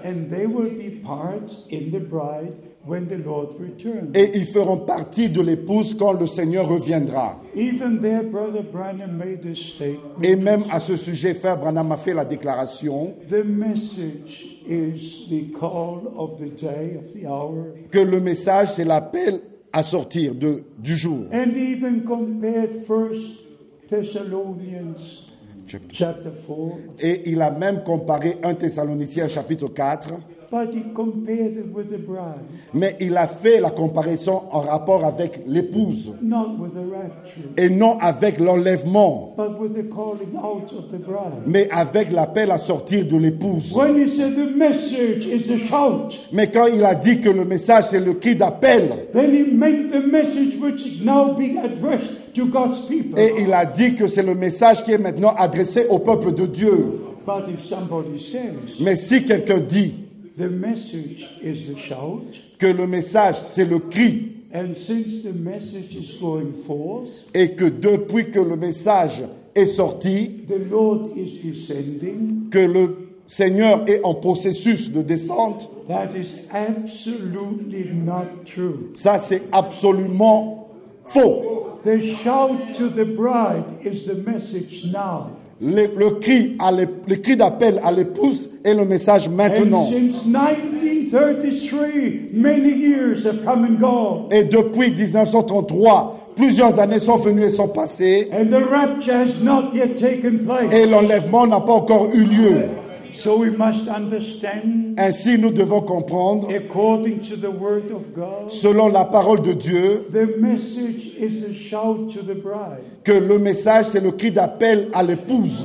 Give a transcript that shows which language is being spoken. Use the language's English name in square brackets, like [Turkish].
[English] and they will be part in the bride when the Lord returns. [French] Et ils feront partie de l'épouse quand le Seigneur reviendra. [English] Even there, Brother Branham made this statement. [French] Et même à ce sujet, Frère Branham a fait la déclaration. [English] The message is the call of the day, of the hour. [French] Que le message, c'est l'appel à sortir de, du jour. [English] And even compared First Thessalonians chapter 4. [French] Et il a même comparé 1 Thessaloniciens chapitre 4. [English] But he compared it with the bride. [French] Mais il a fait la comparaison en rapport avec l'épouse. [English] Not with the rapture. [French] Et non avec l'enlèvement. [English] But with the calling out of the bride. [French] Mais avec l'appel à sortir de l'épouse. [English] When he said the message is a shout. [French] Mais quand il a dit que le message c'est le cri d'appel. [English] Then he made the message which is now being addressed to God's people. [French] Et il a dit que c'est le message qui est maintenant adressé au peuple de Dieu. [English] But if somebody says, [French] mais si quelqu'un dit. [English] The message is the shout. [French] Que le message, c'est le cri. [English] And since the message is going forth, [French] et que depuis que le message est sorti, [English] the Lord is descending, [French] que le Seigneur est en processus de descente, [English] that is absolutely not true. [French] Ça, c'est absolument faux. [English] The shout to the bride is the message now. [French] Le cri d'appel à l'épouse est le message maintenant. [English] And since 1933, many years have come and gone. [French] Et depuis 1933, plusieurs années sont venues et sont passées. [English] And the rapture has not yet taken place. [French] Et l'enlèvement n'a pas encore eu lieu. [English] So we must understand, [French] ainsi nous devons comprendre, [English] according to the word of God, [French] selon la parole de Dieu, [English] the message is a shout to the bride. [French] Que le message c'est le cri d'appel à l'épouse.